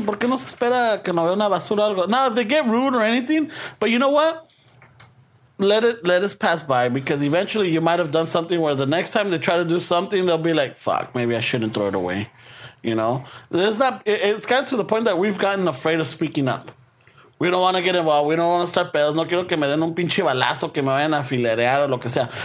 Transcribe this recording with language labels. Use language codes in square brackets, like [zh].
[es] ¿Por qué no se espera que no vea una basura o algo? [en] Now, if they get rude or anything, but you know what? Let us pass by, because eventually you might have done something where the next time they try to do something, they'll be like, fuck, maybe I shouldn't throw it away. You know, it's gotten to the point that we've gotten afraid of speaking up. We don't want to get involved. We don't want to start pedos. [es] No quiero que me den un pinche balazo, que me vayan a filerear o lo que sea.